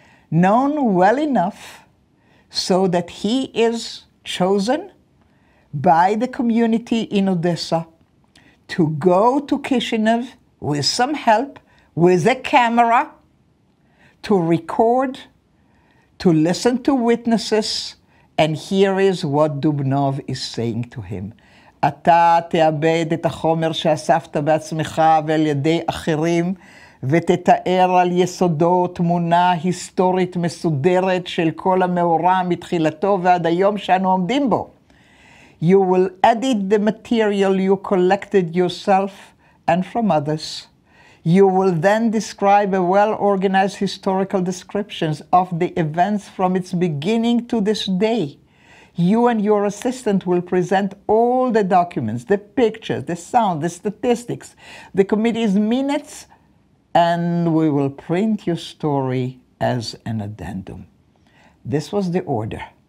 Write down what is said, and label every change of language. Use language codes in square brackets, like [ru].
[en] Known well enough so that he is chosen by the community in Odessa to go to Kishinev with some help, with a camera, to record, to listen to witnesses, and here is what Dubnov is saying to him. [he] Ata te'abed et ha'chomer she'asafta be'atzmicha ve'al yedei achirim ותתאר על יסודו תמונה היסטורית מסודרת של כל המאורע מתחילתו ועד היום שאנו עומדים בו. [en] You will edit the material you collected yourself and from others. You will then describe a well-organized historical descriptions of the events from its beginning to this day. You and your assistant will present all the documents, the pictures, the sound, the statistics, the committee's minutes, and we will print your story as an addendum. This was the order.